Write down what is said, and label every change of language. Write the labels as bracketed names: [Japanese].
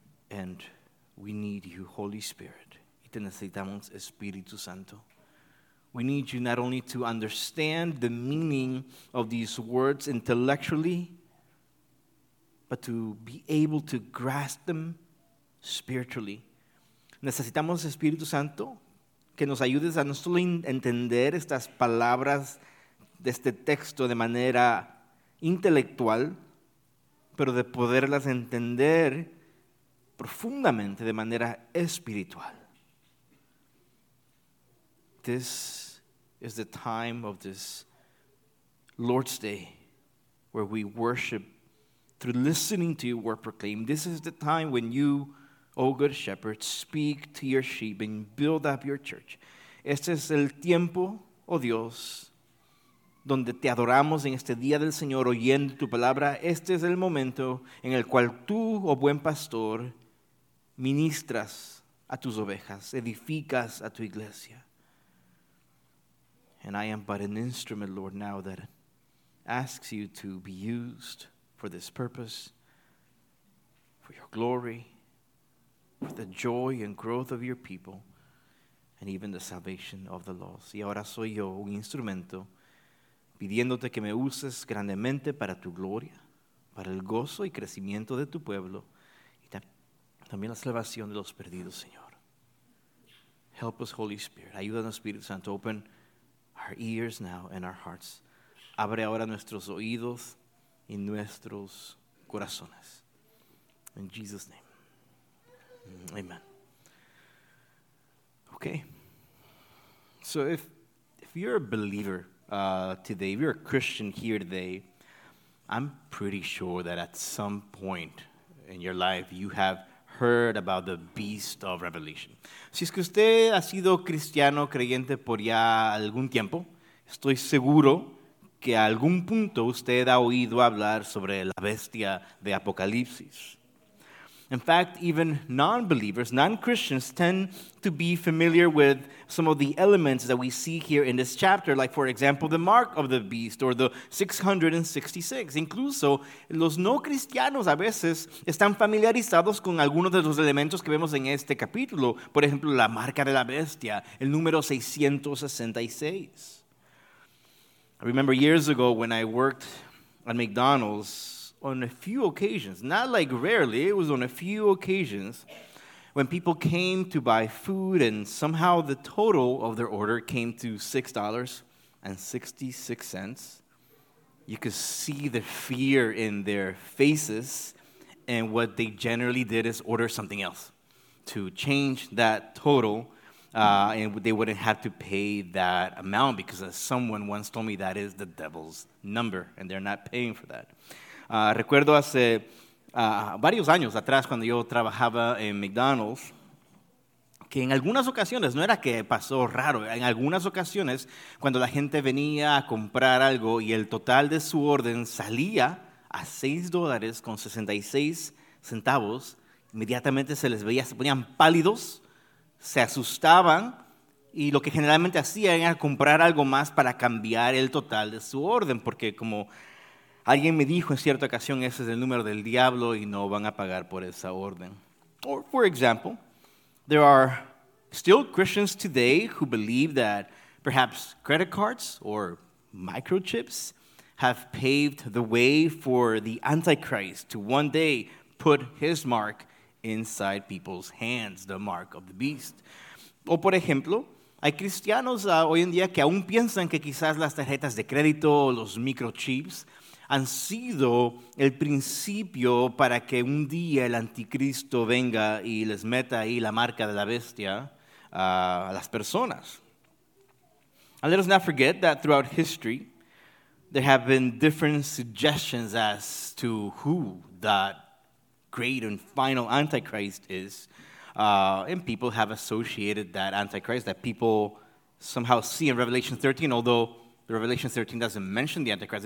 [English] And we need you, Holy Spirit. [Spanish] Y te necesitamos, Espíritu Santo. [English] We need you not only to understand the meaning of these words intellectually, but to be able to grasp them spiritually. [Spanish] Necesitamos Espíritu Santo que nos ayudes a no solo entender estas palabras de este texto de manera intelectual, pero de poderlas entender profundamente de manera espiritual. [English] This is the time of this Lord's Day where we worship through listening to your word proclaimed. This is the time when you, O good shepherd, speak to your sheep and build up your church. [Spanish] Este es el tiempo, oh Dios, donde te adoramos en este día del Señor oyendo tu palabra. Este es el momento en el cual tú, oh buen pastor, ministras a tus ovejas, edificas a tu iglesia. [English] And I am but an instrument, Lord, now that asks you to be used for this purpose, for your glory, for the joy and growth of your people, and even the salvation of the lost. [Spanish] Y ahora soy yo un instrumento, pidiéndote que me uses grandemente para tu gloria, para el gozo y crecimiento de tu pueblo, y también la salvación de los perdidos, Señor. [English] Help us, Holy Spirit. [Spanish] Ayúdanos, Espíritu Santo. [English] Open our ears now and our hearts. [Spanish] Abre ahora nuestros oídos y nuestros corazones. [English] In Jesus' name. Amen. Okay. So if you're a believer today, if you're a Christian here today, I'm pretty sure that at some point in your life you have heard about the beast of Revelation. [Spanish] Si es que usted ha sido cristiano creyente por ya algún tiempo, estoy seguro que a algún punto usted ha oído hablar sobre la bestia de Apocalipsis. [English] In fact, even non-believers, non-Christians, tend to be familiar with some of the elements that we see here in this chapter, like, for example, the mark of the beast or the 666. [Spanish] Incluso, los no cristianos a veces están familiarizados con algunos de los elementos que vemos en este capítulo. Por ejemplo, la marca de la bestia, el número 666. [English] I remember years ago when I worked at McDonald's, on a few occasions, not like rarely, it was on a few occasions, when people came to buy food and somehow the total of their order came to $6.66, you could see the fear in their faces, and what they generally did is order something else to change that total, and they wouldn't have to pay that amount because someone once told me that is the devil's number and they're not paying for that. [Spanish] Recuerdo hace varios años atrás cuando yo trabajaba en McDonald's que en algunas ocasiones, no era que pasó raro, en algunas ocasiones cuando la gente venía a comprar algo y el total de su orden salía a $6.66, inmediatamente se les veía, se ponían pálidos, se asustaban y lo que generalmente hacían era comprar algo más para cambiar el total de su orden porque como alguien me dijo en cierta ocasión, ese es el número del diablo y no van a pagar por esa orden. [English] Or, for example, there are still Christians today who believe that perhaps credit cards or microchips have paved the way for the Antichrist to one day put his mark inside people's hands, the mark of the beast. [Spanish] O, por ejemplo, hay cristianos hoy en día que aún piensan que quizás las tarjetas de crédito o los microchips han sido el principio para que un día el anticristo venga y les meta ahí la marca de la bestia a las personas. [English] And let us not forget that throughout history, there have been different suggestions as to who that great and final Antichrist is. And people have associated that Antichrist that people somehow see in Revelation 13, although Revelation 13 doesn't mention the Antichrist.